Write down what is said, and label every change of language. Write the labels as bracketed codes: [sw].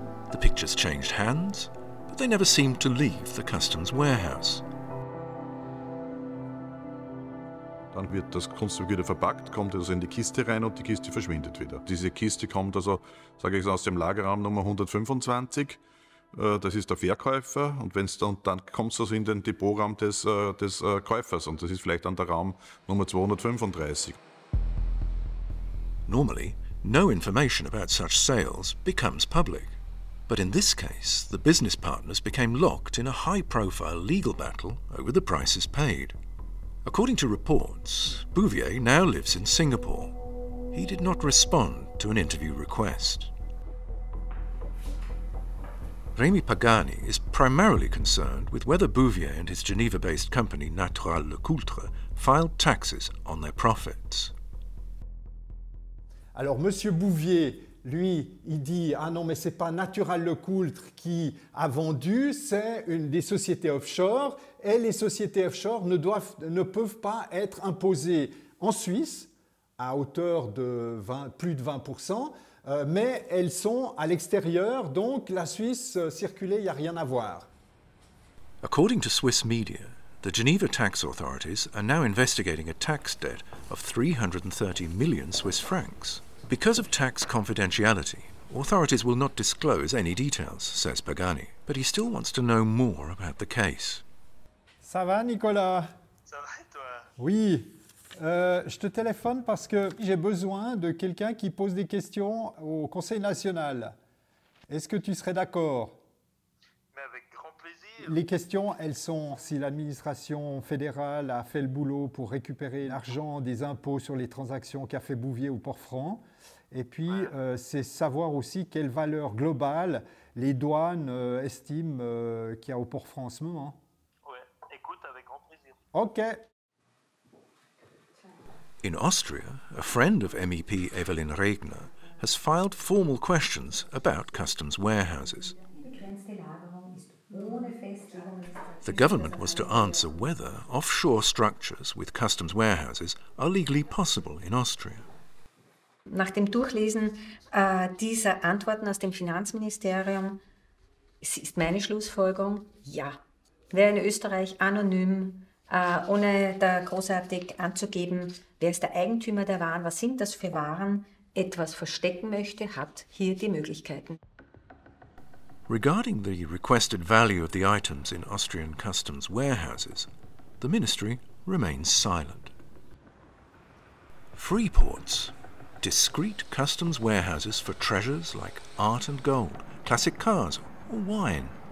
[en] The pictures changed hands, but they never seemed to leave the customs warehouse. [de] Dann wird das Kunststück wieder verpackt, kommt also in die Kiste rein und die Kiste verschwindet wieder. Diese Kiste kommt also, sage ich, aus dem Lagerraum Nummer 125. Das ist der Verkäufer und dann kommt es also in den Depotraum des Käufers und das ist vielleicht dann der Raum Nummer 235. [en] Normally, no information about such sales becomes public. But in this case, the business partners became locked in a high-profile legal battle over the prices paid. According to reports, Bouvier now lives in Singapore. He did not respond to an interview request. Rémy Pagani is primarily concerned with whether Bouvier and his Geneva-based company Natural Le Coultre filed taxes on their profits. [fr] Alors Monsieur Bouvier, lui, il dit « Ah non, mais c'est pas Natural Le Coultre qui a vendu, c'est une des sociétés offshore et les sociétés offshore ne peuvent pas être imposées en Suisse à hauteur de plus de 20%. » Mais elles sont à l'extérieur, donc la Suisse circulait, il n'y a rien à voir. [en] According to Swiss media, the Geneva tax authorities are now investigating a tax debt of 330 million Swiss francs. Because of tax confidentiality, authorities will not disclose any details, says Pagani. But he still wants to know more about the case. [fr] Ça va, Nicolas? Ça va, et toi? Oui. Je te téléphone parce que j'ai besoin de quelqu'un qui pose des questions au Conseil national. Est-ce que tu serais d'accord? Mais avec grand plaisir. Les questions, elles sont si l'administration fédérale a fait le boulot pour récupérer l'argent des impôts sur les transactions qu'a fait Bouvier ou Port-Franc. Et puis, c'est savoir aussi quelle valeur globale les douanes estiment qu'il y a au Port-Franc en ce moment. Ouais, écoute, avec grand plaisir. Ok. [en] In Austria, a friend of MEP Evelyn Regner has filed formal questions about customs warehouses. The government was to answer whether offshore structures with customs warehouses are legally possible in Austria. [de] Nach dem Durchlesen dieser Antworten aus dem Finanzministerium ist meine Schlussfolgerung, ja. Wer in Österreich anonym, ohne da großartig anzugeben, wer ist der Eigentümer der Waren, was sind das für Waren, etwas verstecken möchte, hat hier die Möglichkeiten. [en] Regarding the requested value of the items in Austrian customs warehouses, the ministry remains silent. Freeports, discreet customs warehouses for treasures like art and gold, classic cars or wine.